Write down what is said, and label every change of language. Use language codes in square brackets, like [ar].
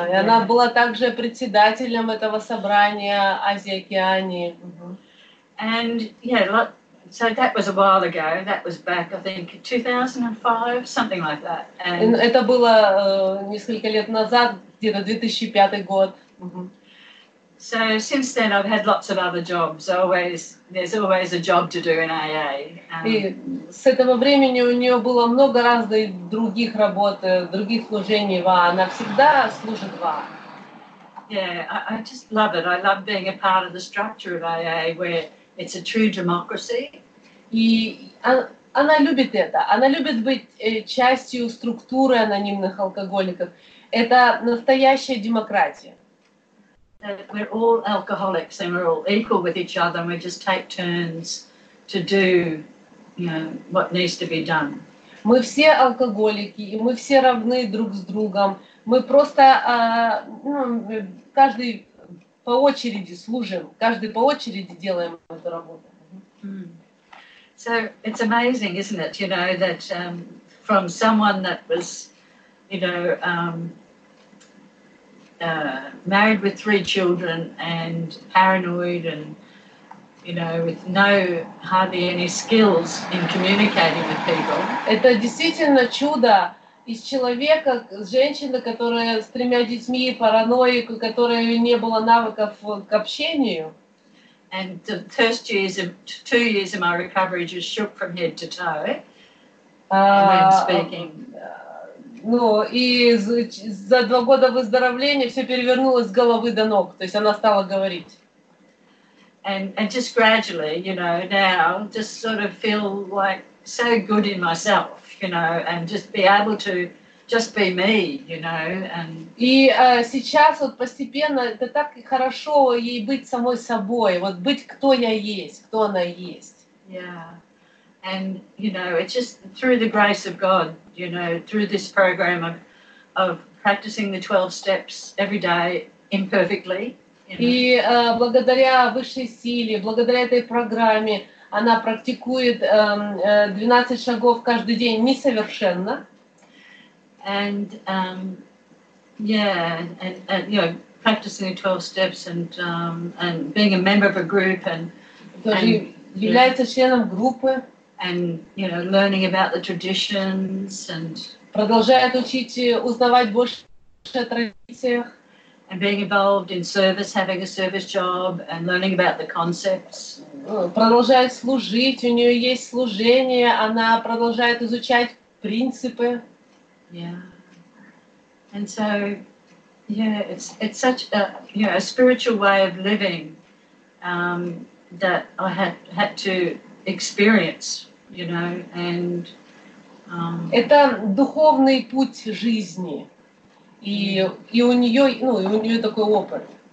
[ru] Да, и она была также председателем этого собрания Азии Океании. [en] And yeah, so that was a while ago. That was back, I think, 2005, something like that. [ru] And это было несколько лет назад, где-то 2005 год. [en] So since then I've had lots of other jobs. Always there's always a job to do in AA. [ru] С этого времени у нее было много разных других работ, других служений в АА. Она всегда служит в АА. [en] Yeah, I just love it. I love being a part of the structure of AA where it's a true democracy. [ru] И она любит это. Она любит быть частью структуры анонимных алкоголиков. Это настоящая демократия. [en] That we're all alcoholics and we're all equal with each other and we just take turns to do, you know, what needs to be done. [ru] Мы все алкоголики, и мы все равны друг с другом. Мы просто каждый по очереди служим, каждый по очереди делаем эту работу. [en] So it's amazing, isn't it, you know, that from someone that was, you know, married with three children and paranoid and, you know, with no, hardly any skills in communicating with people. [ru] Это действительно чудо из человека, женщины, которая с тремя детьми, параноик, у которой не было навыков к общению. [en] And the first years of, 2 years of my recovery just shook from head to toe when speaking. [ru] Ну, и за 2 года выздоровления все перевернулось с головы до ног, то есть она стала говорить. [en] And just gradually, you know, now just sort of feel like so good in myself, you know, and just be able to just be me, you know, and. [ru] И сейчас вот постепенно это так хорошо ей быть самой собой, вот быть кто я есть, кто она есть. [en] Yeah. And you know, it's just through the grace of God, you know, through this program of practicing the 12 steps every day imperfectly. [ru] И благодаря высшей силе, благодаря этой программе, она практикует 12 шагов каждый день несовершенно. [en] And and you know, practicing the 12 steps and being a member of a group and [ru] является членом группы. [en] And you know, learning about the traditions and [ru] продолжает учить узнавать больше о традициях. [en] And being involved in service, having a service job and learning about the concepts. [ru] Продолжает служить, у нее есть служение, она продолжает изучать принципы. [en] Yeah. And so it's such a, you know, a spiritual way of living that I had to experience. You know, and [ru] это духовный путь жизни, и у нее, ну, и у нее такой опыт.